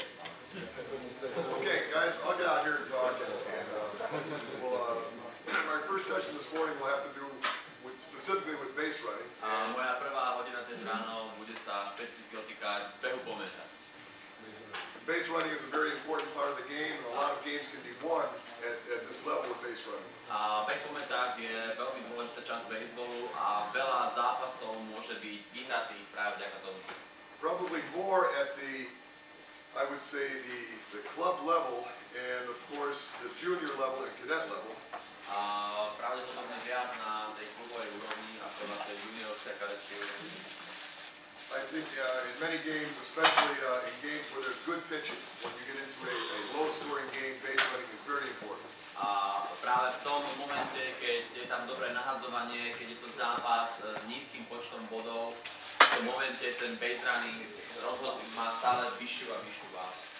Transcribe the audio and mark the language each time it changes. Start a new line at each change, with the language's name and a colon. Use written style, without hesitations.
English: Okay, guys, I'll get out here and talk. Our first session this morning will have to do with, specifically with base running.
Slovak: Moja prvá hodina dnes ráno bude sa špecificky týkať behu po mete.
English: Base running is a very important part of the game, and a lot of games can be won at this level of base running.
Slovak: A beh po metách je veľmi dôležitá časť baseballu a veľa zápasov môže byť vyhratých práve vďaka tomu.
English: Probably more at the, I would say, the club level and, of course, the junior level and cadet level.
Slovak: A pravdepodobne viac na tej klubovej úrovni ako na tej juniorskej kadetskej úrovni.
English: I think in many games, especially in games where there's good pitching, when you get into a low-scoring game, base running is very important.
Slovak: A práve v tom momente, keď je tam dobré nahadzovanie, keď je to zápas s nízkym počtom bodov, v tom momente ten base running rozhodne má stále vyššiu a vyššiu váhu.